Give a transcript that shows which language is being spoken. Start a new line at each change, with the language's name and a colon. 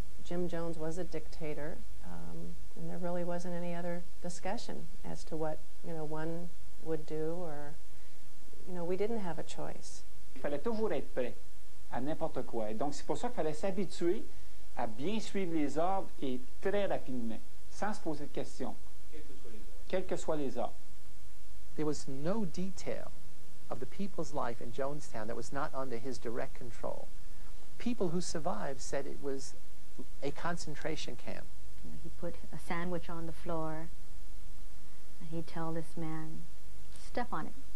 English: Jim Jones was a dictator, and there really wasn't any other discussion as to what, you know, one would do, or, you know, we didn't have a choice.
French: Il fallait toujours être prêt à n'importe quoi, et donc c'est pour ça qu'il fallait s'habituer à bien suivre les ordres et très rapidement, sans se poser de questions, quels que soient les ordres.
English: There was no detail of the people's life in Jonestown that was not under his direct control. People who survived said it was a concentration camp. He put a sandwich on the floor, and he'd tell this man, step on it.